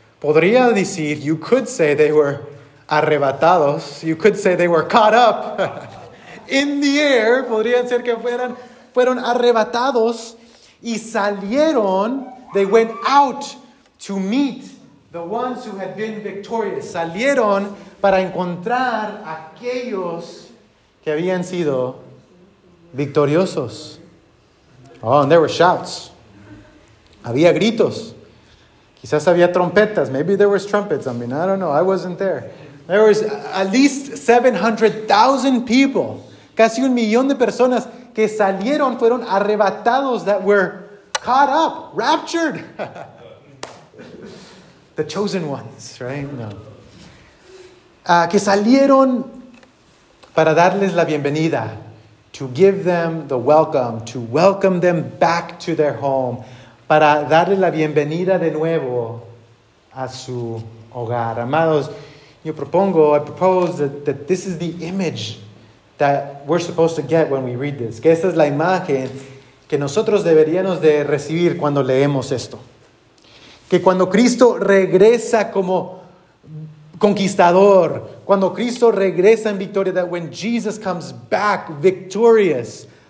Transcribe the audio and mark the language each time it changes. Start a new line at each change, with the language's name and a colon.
Spanish: Podría decir,
English: you could say they were arrebatados. You could say they were caught up in the air.
Spanish: Podrían ser que fueron arrebatados y salieron,
English: they went out to meet the ones who had been victorious.
Spanish: Salieron para encontrar aquellos que habían sido victoriosos.
English: Oh, and there were shouts.
Spanish: Había gritos. Quizás había trompetas.
English: Maybe there was trumpets. I mean, I don't know. I wasn't there. There was at least 700,000 people.
Spanish: Casi 1,000,000 de personas que salieron, fueron arrebatados,
English: that were caught up, raptured. The chosen ones, right? No.
Spanish: Que salieron para darles la bienvenida,
English: to give them the welcome, to welcome them back to their home,
Spanish: para darles la bienvenida de nuevo a su hogar.
English: Amados, I propose that this is the image that we're supposed to get when we read this.
Spanish: Que esta es la imagen que nosotros deberíamos de recibir cuando leemos esto. Que cuando Cristo regresa como conquistador, cuando Cristo regresa en victoria,
English: that when Jesus comes back victorious,